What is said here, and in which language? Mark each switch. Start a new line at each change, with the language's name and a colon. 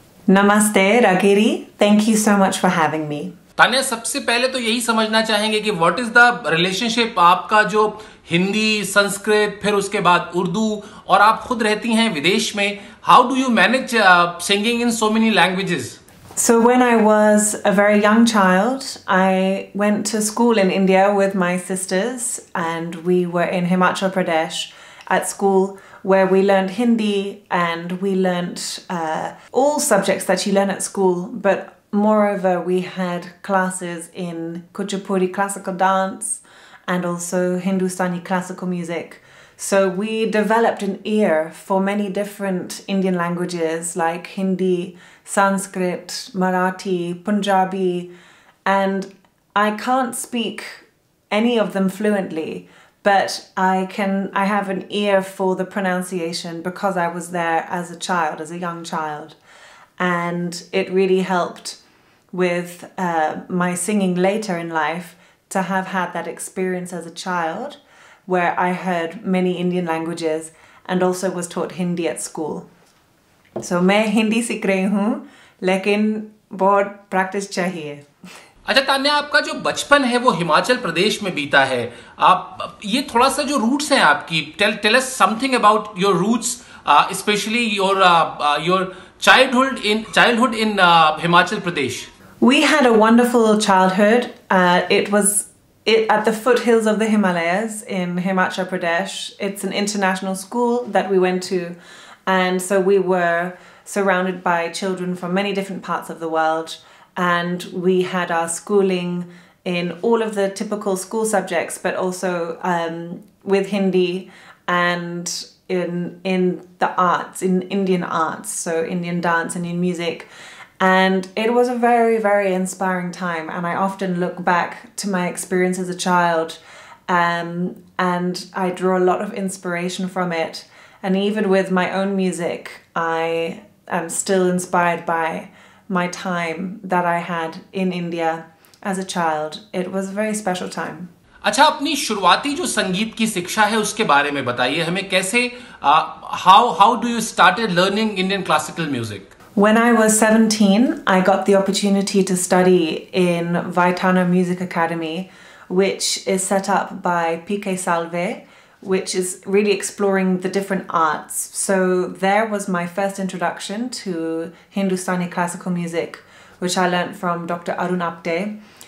English: नमस्ते Raagagiri, thank you so much for having me.
Hindi: Tanya, सबसे पहले तो यही समझना चाहेंगे कि
English: what is the relationship
Hindi: आपका जो हिंदी, संस्कृत, फिर उसके बाद उर्दू, और आप खुद रहती हैं विदेश में,
English: How do you manage singing in so many languages? So when I was a very young child, I went to school in India with my sisters, and we were in Himachal Pradesh at school where we learned Hindi and we learned all subjects that you learn at school. But moreover, we had classes in Kuchipudi classical dance and also Hindustani classical music. So we developed an ear for many different Indian languages like Hindi, Sanskrit, Marathi, Punjabi, and I can't speak any of them fluently, but I have an ear for the pronunciation because I was there as a child, as a young child, and it really helped with my singing later in life to have had that experience as a child where I heard many Indian languages and also was taught Hindi at school.
Hindi: So, मैं हिंदी सीख रही हूँ, लेकिन बहुत practice चाहिए। अच्छा तान्या, आपका जो बचपन है वो हिमाचल प्रदेश में बीता है, आप ये थोड़ा सा जो रूट्स हैं आपकी,
English: tell us something about your roots, especially your childhood in
Hindi: Himachal Pradesh.
English: We had a wonderful childhood. It was at the foothills of the Himalayas in Himachal Pradesh. It's an international school that we went to. And so we were surrounded by children from many different parts of the world. And we had our schooling in all of the typical school subjects, but also with Hindi and in the arts, in Indian arts, so Indian dance, Indian music. And it was a very, very inspiring time. And I often look back to my experience as a child and I draw a lot of inspiration from it. And even with my own music, I am still inspired by my time that I had in India as a child. It was a very special time.
Hindi: अच्छा, अपनी शुरुआती जो संगीत की शिक्षा है उसके बारे में बताइए हमें, कैसे,
English: how do you started learning Indian classical music? When I was 17, I got the opportunity to study in Vaitana Music Academy, which is set up by P.K. Salve, which is really exploring the different arts. So there was my first introduction to Hindustani classical music, which I learned from Dr. Arun Apte.